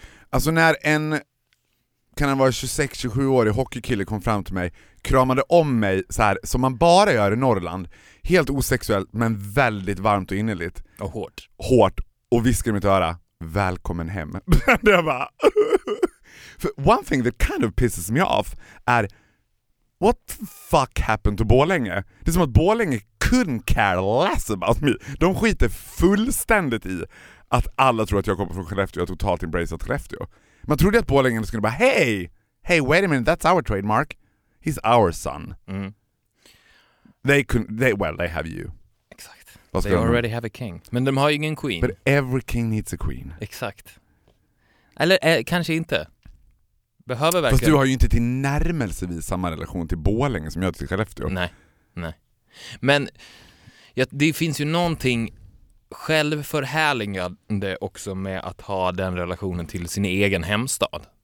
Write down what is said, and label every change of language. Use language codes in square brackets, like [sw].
[sv] Alltså när en, kan han vara 26-27 år, i hockeykille kom fram till mig, kramade om mig så här som man bara gör i Norrland. Helt osexuellt men väldigt varmt och innerligt. Och hårt. Hårt. Och viskade i mitt öra, välkommen hem. Det var. För [en] one thing that kind of pisses me off [sv] är... [en] What the fuck happened to Borlänge? [sv] Det är som att Borlänge [en] couldn't care less about me. [sv] De skiter fullständigt i att alla tror att jag kommer från Skellefteå. Jag har totalt embraced Skellefteå. Man trodde att Borlänge skulle bara, [en] hey, wait a minute, that's our trademark. He's our son. They have you. [sv] Exakt. [en] They already have a king. [sv] Men de har ju ingen queen. [en] But every king needs a queen. [sv] Exakt. Eller kanske inte. Behöver verkligen. Fast du har ju inte till närmelsevis samma relation till Borlänge som jag till Skellefteå. Nej. Men det finns ju någonting självförhärligande också med att ha den relationen till sin egen hemstad.